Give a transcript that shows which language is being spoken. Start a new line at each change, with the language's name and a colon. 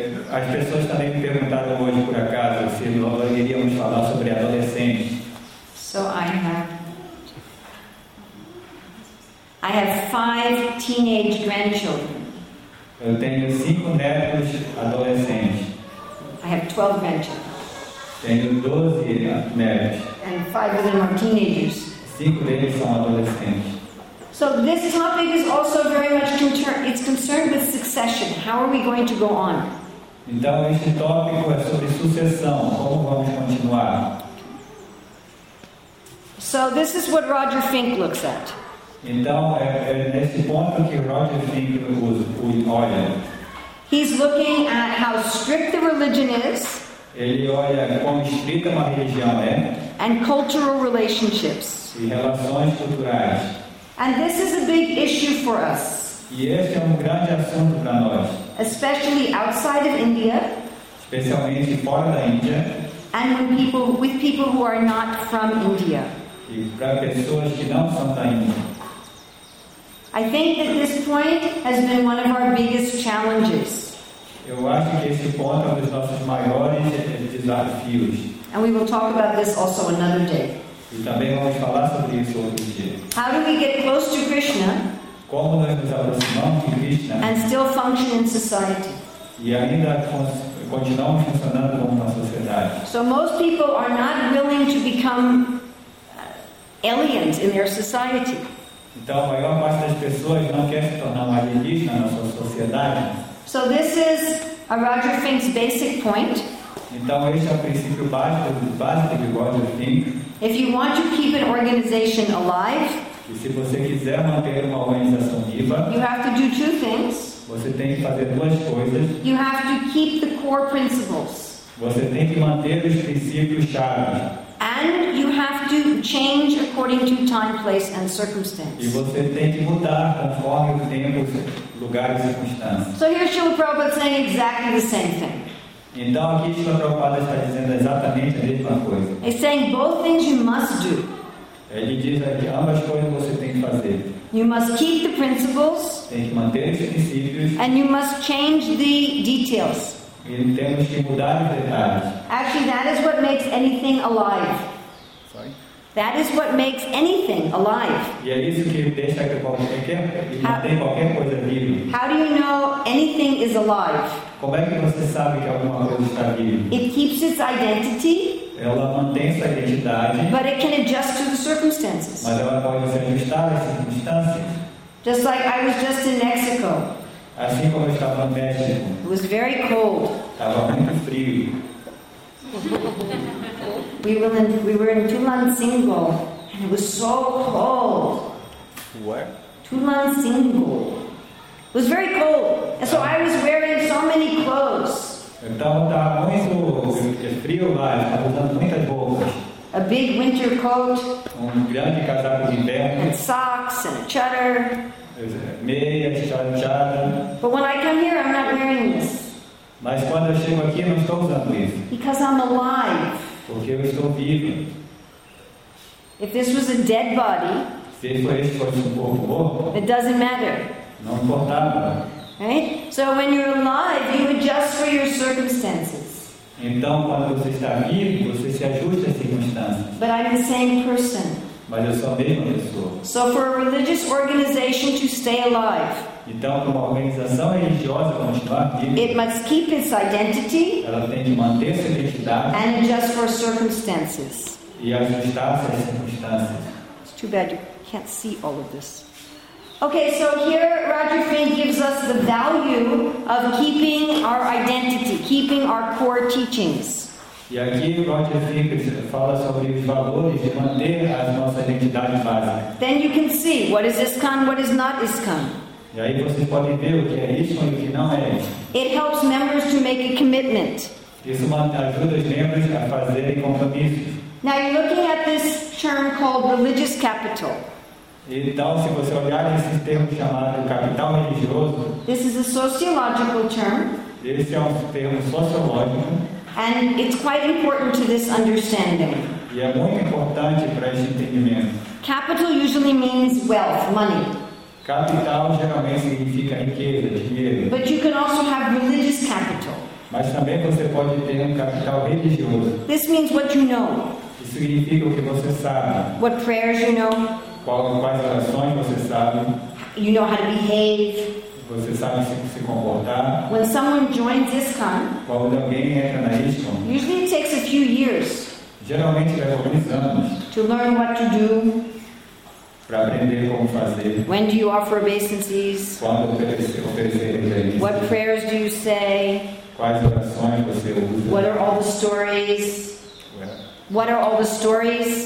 Portuguese: As pessoas também me perguntaram hoje, por acaso, se nós iríamos falar sobre adolescentes.
English: So I have five teenage grandchildren.
Portuguese: Eu tenho cinco netos adolescentes.
English: I have 12 grandchildren.
Portuguese: Tenho 12 netos.
English: And five of them are teenagers.
Portuguese: Cinco deles são adolescentes.
English: So this topic is also very much it's concerned with succession. How are we going to go on?
Portuguese: Então este tópico é sobre sucessão. Como vamos continuar?
English: So this is what Roger Fink looks at.
Portuguese: Então é nesse ponto que Roger Fink olha.
English: He's looking at how strict the religion is.
Portuguese: Ele olha quão estrita uma religião é.
English: And cultural relationships.
Portuguese: E relações culturais.
English: And this is a big issue for us.
Portuguese: E esse é um grande assunto para nós.
English: Especially outside of India.
Portuguese: Especialmente fora da Índia.
English: And with people who are not from India.
Portuguese: E para pessoas que não são da Índia.
English: I think that this point has been one of our biggest challenges.
Portuguese: Eu acho que esse ponto é um dos nossos maiores desafios.
English: And we will talk about this also another day.
Portuguese: E também vamos falar sobre isso outro dia.
English: How do we get close to Krishna?
Portuguese: Como nós nos aproximamos de Krishna?
English: And still function in society.
Portuguese: E ainda continuamos funcionando como uma sociedade.
English: So most people are not willing to become aliens in their society.
Portuguese: Então, a maior parte das pessoas não quer se tornar um alienígena na sua sociedade.
English: So this is a Roger Fink's basic point.
Portuguese: Então, esse é o princípio básico de Roger Fink.
English: If you want to keep an organization alive,
Portuguese: e se você quiser manter uma organização viva,
English: you have to do two things.
Portuguese: Você tem que fazer duas coisas.
English: You have to keep the core principles.
Portuguese: Você tem que manter os princípios chave.
English: And you have to change according to time, place, and circumstance.
Portuguese: E você tem que mudar conforme o tempo, lugar e circunstância.
English: So here Srila Prabhupada saying exactly the same thing.
Portuguese: Então aqui Srila Prabhupada está dizendo exatamente a mesma coisa.
English: He's saying both things you must do.
Portuguese: Ele diz aqui ambas coisas você tem que fazer.
English: You must keep the principles.
Portuguese: Tem que manter os princípios.
English: And you must change the details.
Portuguese: E temos que mudar os detalhes.
English: Actually, that is what makes anything alive. That is what makes anything alive.
Portuguese: E é isso que deixa que mantém qualquer coisa viva.
English: How do you know anything is alive?
Portuguese: Como é que você sabe que alguma coisa está viva?
English: It keeps its identity.
Portuguese: Ela mantém sua identidade.
English: But it can adjust to the circumstances.
Portuguese: Mas ela pode se ajustar às circunstâncias.
English: Just like I was just in Mexico.
Portuguese: Assim como eu estava no México.
English: It was very cold.
Portuguese: Estava muito frio.
English: We were in Tulancingo, and it was so cold. What? Tulancingo. It was very cold, and so I was wearing so many clothes.
Portuguese: Então tá muito frio lá, estava usando muitas roupas.
English: A big winter coat.
Portuguese: Um grande casaco de inverno.
English: And socks and a cheddar.
Portuguese: Meias, chanchada.
English: But when I come here, I'm not wearing this.
Portuguese: Mas quando eu chego aqui, eu não estou usando isso.
English: Because I'm alive.
Portuguese: Porque eu estou vivo.
English: If this was a dead body,
Portuguese: se esse fosse um corpo morto,
English: it doesn't matter.
Portuguese: Não importava.
English: Right? So when you're alive, you adjust for your circumstances.
Portuguese: Então, quando você está vivo, você se ajusta às circunstâncias.
English: But I'm the same person.
Portuguese: Mas eu sou a mesma pessoa.
English: So for a religious organization to stay alive,
Portuguese: então, para uma organização religiosa continuar viva,
English: it must keep its identity,
Portuguese: ela tem que manter sua identidade,
English: and adjust for circumstances.
Portuguese: E ajustar-se às circunstâncias.
English: It's too bad you can't see all of this. Okay, so here Roger Finn gives us the value of keeping our identity, keeping our core teachings.
Portuguese: E aqui Roger Finn fala sobre os valores de manter a nossa identidade básica.
English: Then you can see what is ISKCON, what is not ISKCON.
Portuguese: E aí vocês podem ver o que é ISKCON e o que não é.
English: It helps members to make a commitment.
Portuguese: Isso ajuda os membros a fazerem compromissos.
English: Now you're looking at this term called religious capital.
Portuguese: Então, se você olhar esse termo chamado capital religioso,
English: this is a sociological term.
Portuguese: Esse é um termo sociológico.
English: And it's quite important to this understanding.
Portuguese: E é muito importante para esse entendimento.
English: Capital usually means wealth, money.
Portuguese: Capital geralmente significa riqueza, dinheiro.
English: But you can also have religious capital.
Portuguese: Mas também você pode ter capital religioso.
English: This means what you know.
Portuguese: Isso significa o que você sabe.
English: What prayers you know.
Portuguese: Quais orações você sabe?
English: You know how to behave.
Portuguese: Você sabe se comportar.
English: When someone joins ISKCON,
Portuguese: quando alguém entra na ISKCON,
English: usually it takes a few years.
Portuguese: Geralmente leva alguns anos.
English: To learn what to do.
Portuguese: Para aprender como fazer.
English: When do you offer obeisances?
Portuguese: Quando oferece reverências.
English: What prayers do you say?
Portuguese: Quais orações você usa?
English: What are all the stories? What are all the stories?